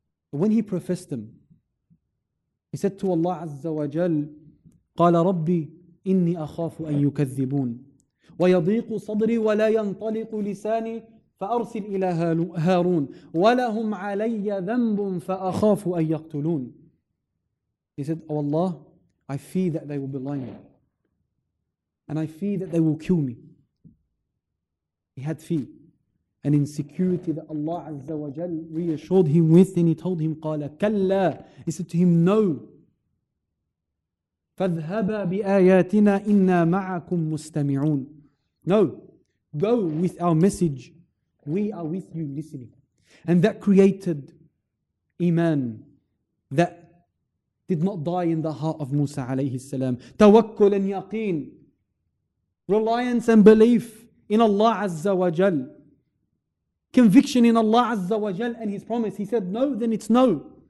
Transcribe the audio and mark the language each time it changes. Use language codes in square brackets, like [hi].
[en] When he professed them, he said to Allah Azza wa Jal, [ar] قَالَ رَبِّي إِنِّي أَخَافُ أَن يُكَذِّبُونَ ويضيق صدري ولا ينطلق لساني فأرسل إلى هارون ولهم علي ذنب فأخاف أن يقتلون [en] He said, Oh Allah, I fear that they will belie me. And I fear that they will kill me. He had fear. An insecurity that Allah Azza wa Jal reassured him with. And he told him, [ar] قال كلا. [en] He said to him, No. [ar] فاذهبا بآياتنا إنا معكم مستمعون [en] No, go with our message. We are with you listening. And that created iman that did not die in the heart of Musa alayhi salam. Tawakkul and yaqeen. Reliance and belief in Allah Azza wa Jal. Conviction in Allah Azza wa Jal and His promise. He said, no, then it's no.